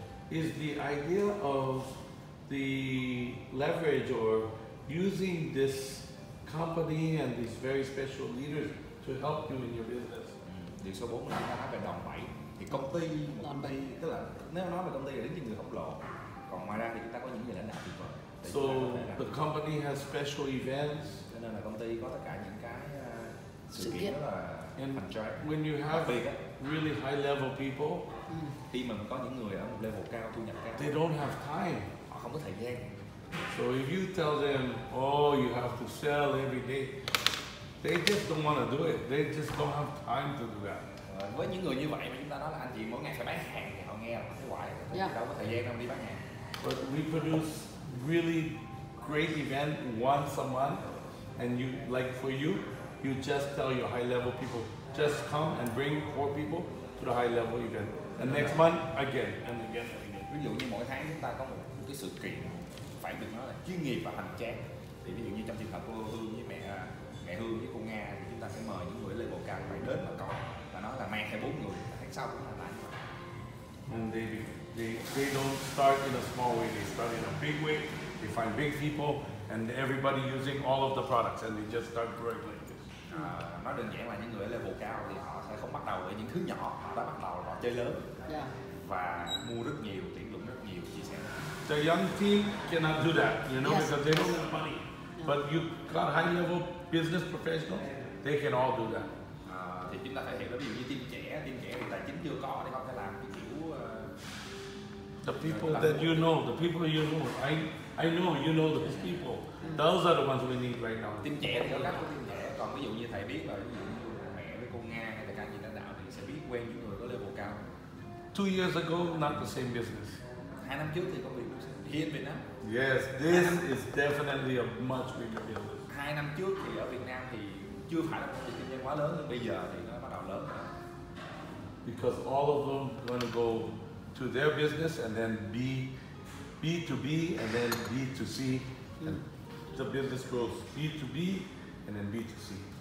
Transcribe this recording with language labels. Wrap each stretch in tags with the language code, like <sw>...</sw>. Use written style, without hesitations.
<en>is the idea of the leverage or using this company and these very special leaders to help you in your business.</en> <vi>Điều số 4 là chúng ta nói về đòn bẩy. Thì công ty, tức là nếu nói về công ty là đến những người khổng lồ. Còn ngoài ra thì chúng ta có những người lãnh đạo tuyệt vời.</vi> <en>So the company has special events.</en> <vi>Cho nên là công ty có tất cả những cái sự kiện là</vi> <en>and when you have really high level people,</en> <vi>khi mà có những người ở một level cao, thu nhập cao,</vi> <en>they don't have time.</en> <vi>Họ không có thời gian.</vi> <en>So if you tell them, oh, you have to sell every day, they just don't want to do it. They just don't have time to do that.</en> <vi>Với những người như vậy mà chúng ta nói là anh chị mỗi ngày phải bán hàng thì họ nghe là thấy hoài, thấy đâu có thời gian đâu đi bán hàng.</vi> <en>But we produce really great event once a month, and you like for you. You just tell your high-level people, just come and bring four people to the high-level event. And next month, again, and again, and again.</en> <vi>Ví dụ như mỗi tháng chúng ta có một cái sự kiện, phải được nói là chuyên nghiệp và hành trang. Thì ví dụ như trong trường hợp của Hương với mẹ Hương với cô Nga, thì chúng ta sẽ mời những người level cao phải đến mà coi. Và nói là mang 2-4 người, tháng sau cũng là lại.</vi> <en>And they don't start in a small way, they start in a big way. They find big people, and everybody using all of the products, and they just start growing.</en> <vi>Nói đơn giản là những người ở level cao thì họ sẽ không bắt đầu ở những thứ nhỏ, họ đã bắt đầu họ chơi lớn và mua rất nhiều, tuyển dụng rất nhiều, chia sẻ.</vi> <en>The young team cannot do that, you know, because they don't have money. But you got high level business professionals, they can all do that.</en> <vi>Thì chúng ta phải hiểu là ví dụ như team trẻ thì tài chính chưa có thì không thể làm cái kiểu.</vi> <en>The people that you know, the people you know, I know you know those people. Those are the ones we need right now.</en> <vi>Team trẻ thì có các team trẻ. Còn ví dụ như thầy biết là ví dụ mẹ với cô Nga hay là các anh chị lãnh đạo thì sẽ biết quen những người có level cao.</vi> <en>2 years ago, not the same business.</en> <vi>2 năm trước thì công việc hiện Việt Nam.</vi> <en>Yes, this is definitely a much bigger business.</en> <vi>2 năm trước thì ở Việt Nam thì chưa phải là một cái kinh doanh quá lớn, bây giờ thì nó bắt đầu lớn.</vi> <en>Because all of them are going to go to their business and then B2B and then B2C and the business grows B2B and then B2C.</en>